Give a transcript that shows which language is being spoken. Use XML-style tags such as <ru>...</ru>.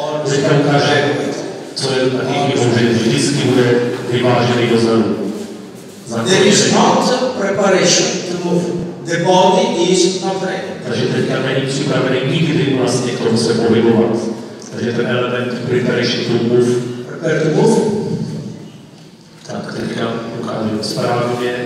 <cs>Teďka ukáže, co je taky chybou, že vždycky bude vyvážený dozadu.</cs> <en>There is not preparation to move. The body is not ready.</en> <cs>Takže teďka není připravený nikdy vlastně k tomu se pohybovat. Takže ten element</cs> <en>preparation to move. Prepare to move.</en> <cs>Tak teďka ukážu správně.</cs>